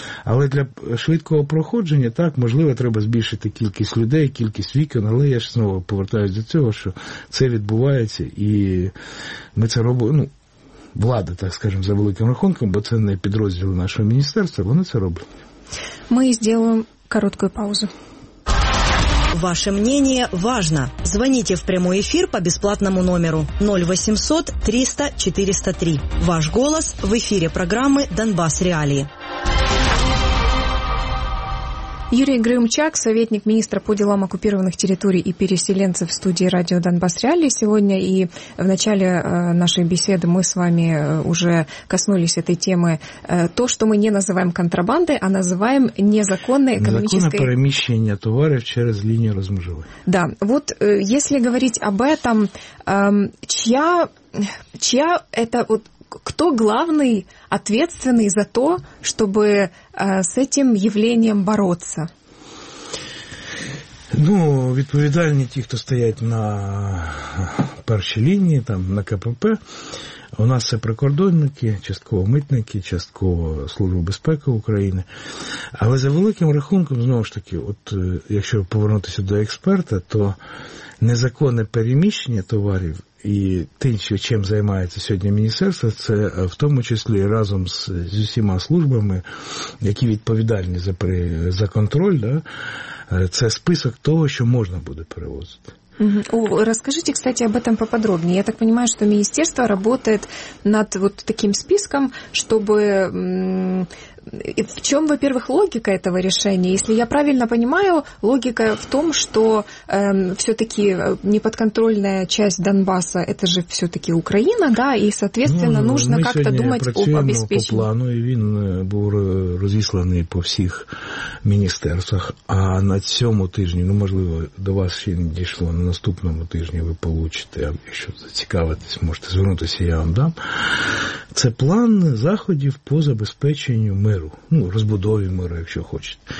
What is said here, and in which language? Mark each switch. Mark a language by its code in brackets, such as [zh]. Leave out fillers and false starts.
[uk] Але для швидкого проходження, так, можливо, треба збільшити кількість людей, кількість вікон, але я ж знову повертаюся до цього, що це відбувається, і ми це робимо, ну, влада, так скажемо, за великим рахунком, бо це не підрозділи нашого міністерства, вони це роблять. Ми зробимо коротку паузу. [ru] Ваше мнение важно. Звоните в прямой эфир по бесплатному номеру 0800 300 403. Ваш голос в эфире программы «Донбасс Реалии». Юрий Грымчак, советник министра по делам оккупированных территорий и переселенцев в студии радио «Донбасс Реалии» сегодня. И в начале нашей беседы мы с вами уже коснулись этой темы. То, что мы не называем контрабандой, а называем незаконной экономической... Незаконное перемещение товаров через линию размежевания. Да. Вот если говорить об этом, чья это... Вот, кто главный ответственный за то, чтобы с этим явлением бороться? [uk] Ну, відповідальні ті, хто стоять на першій лінії, там, на КПП. У нас це прикордонники, частково митники, частково Служба безпеки України. Але за великим рахунком, знову ж таки, от якщо повернутися до експерта, то незаконне переміщення товарів і тим, чим займається сьогодні міністерство, це в тому числі разом з усіма службами, які відповідальні за контроль, да, це список того, що можна буде перевозити. [ru] Расскажите, кстати, об этом поподробнее. Я так понимаю, что министерство работает над вот таким списком, чтобы... В чем, во-первых, логика этого решения? Если я правильно понимаю, логика в том, что все-таки неподконтрольная часть Донбасса – это же все-таки Украина, да, и, соответственно, ну, нужно как-то думать об обеспечении. [uk] По плану, и він був розісланий по всіх міністерствах, а на цьому тижні, ну, можливо, до вас ще не дійшло, на наступному тижні ви получите, якщо зацікавитесь, можете звернутися, я вам дам. Це план заходів по забезпеченню миру, ну, розбудові миру, якщо хочете.